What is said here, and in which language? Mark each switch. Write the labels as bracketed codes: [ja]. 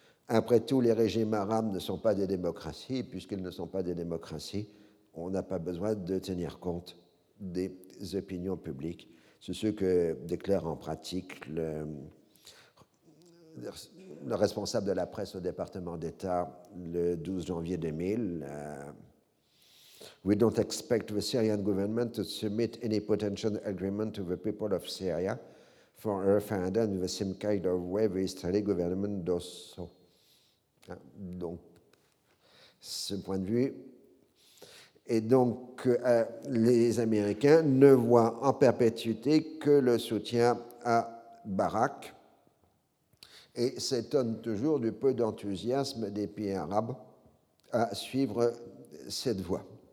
[fr] Après tout, les régimes arabes ne sont pas des démocraties, et puisqu'ils ne sont pas des démocraties, on n'a pas besoin de tenir compte des opinions publiques. C'est ce que déclare en pratique le responsable de la presse au département d'État le 12 janvier 2000. [en] We don't expect the Syrian government to submit any potential agreement to the people of Syria for a referendum in the same kind of way the Israeli government does so. [fr] Donc, ce point de vue. Et donc, les Américains ne voient en perpétuité que le soutien à Barack et s'étonnent toujours du peu d'enthousiasme des pays arabes à suivre cette voie.